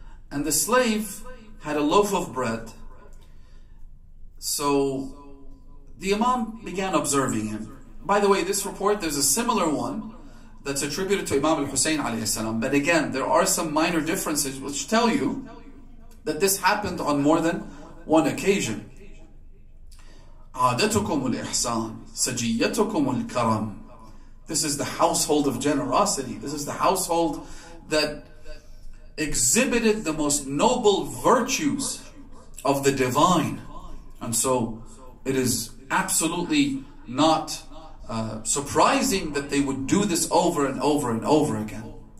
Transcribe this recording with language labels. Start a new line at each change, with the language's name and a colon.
English: And the slave had a loaf of bread. So the Imam began observing him. By the way, this report, there's a similar one that's attributed to Imam al-Husayn alayhi salam. But again, there are some minor differences which tell you that this happened on more than one occasion.
Arabic: عادتكم الإحسان سجيتكم الكرم.
English: This is the household of generosity. This is the household that exhibited the most noble virtues of the divine. And so it is absolutely not surprising that they would do this over and over and over again.